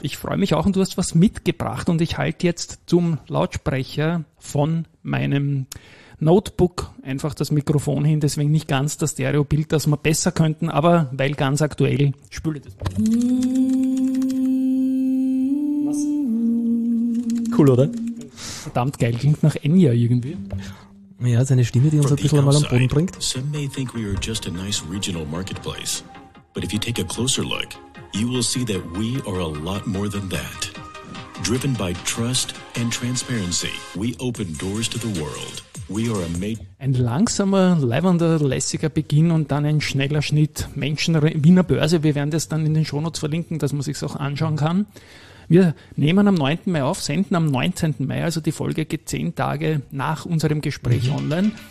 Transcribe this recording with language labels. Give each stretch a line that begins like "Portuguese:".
German: Ich freue mich auch, und du hast was mitgebracht, und ich halte jetzt zum Lautsprecher von meinem Notebook einfach das Mikrofon hin, deswegen nicht ganz das Stereobild, das wir besser könnten, aber weil ganz aktuell, spüle das. Was? Cool, oder? Verdammt geil, klingt nach Enya irgendwie. Ja, seine Stimme, die uns ein bisschen mal am Boden bringt.
English: Some may think we are just a nice regional marketplace, but if you take a closer look, you will see that we are a lot more than that. Driven by trust and transparency, we open doors to the world. We are
German: ein langsamer, lebender, lässiger Beginn und dann ein schneller Schnitt. Menschen, Wiener Börse, wir werden das dann in den Shownotes verlinken, dass man sich auch anschauen kann. Wir nehmen am 9. Mai auf, senden am 19. Mai, also die Folge geht 10 Tage nach unserem Gespräch online.